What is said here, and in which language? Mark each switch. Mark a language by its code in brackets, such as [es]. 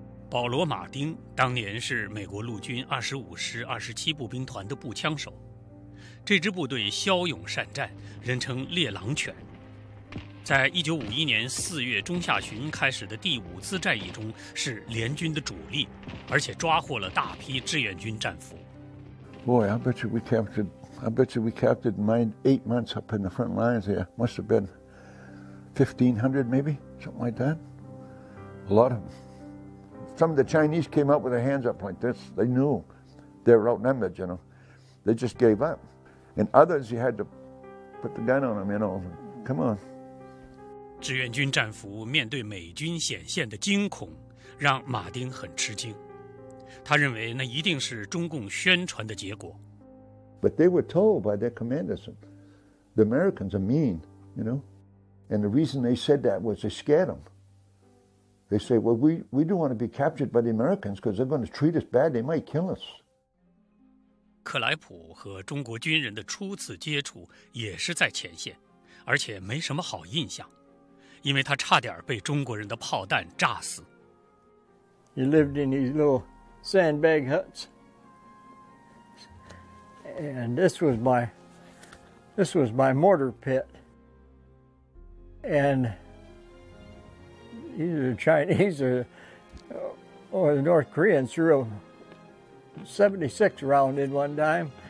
[zh] 保罗·马丁当年是美国陆军25师27步兵团的步枪手，这支部队骁勇善战，人称猎狼犬。在1951年4月中下旬开始的第5次战役中是联军的主力，而且抓获了大批志愿军战俘。 [en] Boy, I bet you we captured 9-8 months up in the front lines here. Must have been 1500 maybe, something like that. A lot of them. Some of the Chinese came up with their hands up like this. They knew they were outnumbered, you know. They just gave up. And others, you had to put the gun on them, you know. Come on. [zh] 志愿军战俘面对美军显现的惊恐，让马丁很吃惊。他认为那一定是中共宣传的结果。 [en] But they were told by their commanders, the Americans are mean, you know. And the reason they said that was they scared them. They say, well, we don't want to be captured by the Americans because they're going to treat us bad. They might kill us. [zh] 克莱普和中国军人的初次接触也是在前线，而且没什么好印象，因为他差点被中国人的炮弹炸死。 [en] He lived in these little sandbag huts. And this was my mortar pit. And either the Chinese or the North Koreans threw 76 round in one time.